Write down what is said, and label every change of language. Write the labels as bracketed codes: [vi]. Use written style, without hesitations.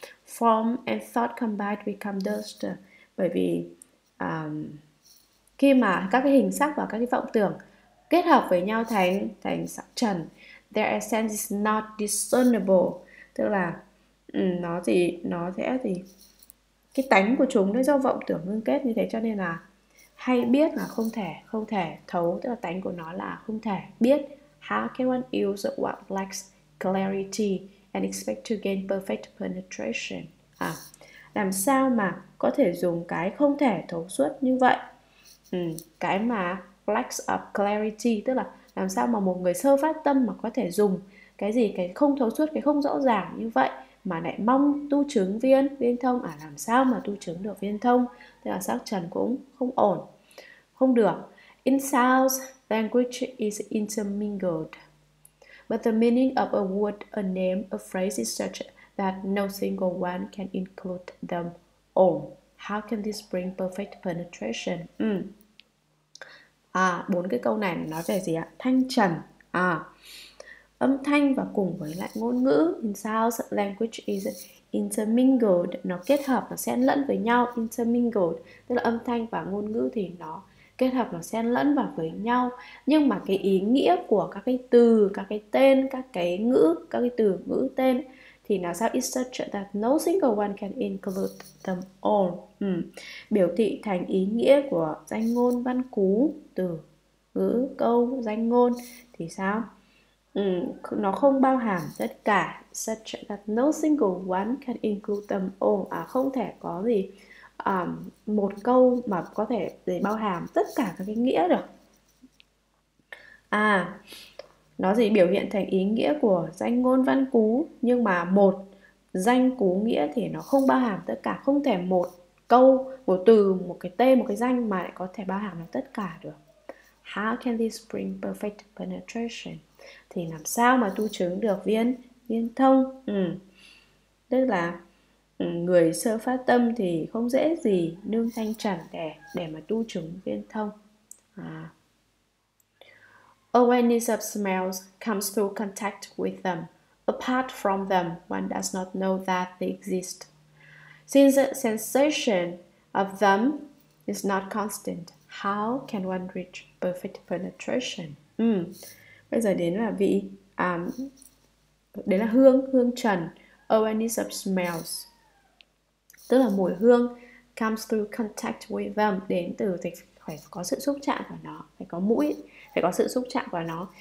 [vi] Form and thought combined become dust. Bởi vì khi mà các cái hình sắc và các cái vọng tưởng kết hợp với nhau thành thành sắc trần, their essence is not discernible, tức là nó sẽ cái tánh của chúng nó do vọng tưởng ngưng kết như thế, cho nên là hay biết là không thể thấu, tức là tánh của nó là không thể biết. [en] How can one use what lacks clarity and expect to gain perfect penetration? [vi] À, làm sao mà có thể dùng cái không thể thấu suốt như vậy? Cái mà lacks of clarity, tức là làm sao mà một người sơ phát tâm mà có thể dùng cái gì, cái không thấu suốt, cái không rõ ràng như vậy mà lại mong tu chứng viên thông. À, làm sao mà tu chứng được viên thông, tức là sắc trần cũng không ổn, không được. [en] In sounds, language is intermingled, but the meaning of a word, a name, a phrase is such that no single one can include them all. How can this bring perfect penetration? [vi] À, bốn cái câu này nói về gì ạ? Thanh trần. À, âm thanh và cùng với lại ngôn ngữ. In sounds, language is intermingled. Nó kết hợp, nó xen lẫn với nhau. Intermingled, tức là âm thanh và ngôn ngữ thì nó kết hợp, nó xen lẫn vào với nhau. Nhưng mà cái ý nghĩa của các cái từ, các cái tên, các cái ngữ, các cái từ ngữ tên thì nó sao? [en] It's such that no single one can include them all. [vi] Biểu thị thành ý nghĩa của danh ngôn, văn cú, từ ngữ, câu, danh ngôn thì sao? Nó không bao hàm tất cả. [en] Such that no single one can include them all. [vi] À, không thể có gì một câu mà có thể để bao hàm tất cả các cái nghĩa được. À, nó gì, biểu hiện thành ý nghĩa của danh ngôn văn cú, nhưng mà một danh cú nghĩa thì nó không bao hàm tất cả, không thể một câu, một từ, một cái tên, một cái danh mà lại có thể bao hàm được tất cả được. How can this bring perfect penetration? Thì làm sao mà tu chứng được viên thông? Tức là người sơ phát tâm thì không dễ gì nương thanh trần để mà tu chứng viên thông. [en] À, awareness of smells comes through contact with them. Apart from them, one does not know that they exist, since the sensation of them is not constant. How can one reach perfect penetration? [vi] Bây giờ đến là vị, đến là hương trần. Awareness of smells, tức là mùi hương, comes through contact with them, đến từ dịch phải có sự xúc chạm của nó, phải có mũi, phải có sự xúc chạm vào nó.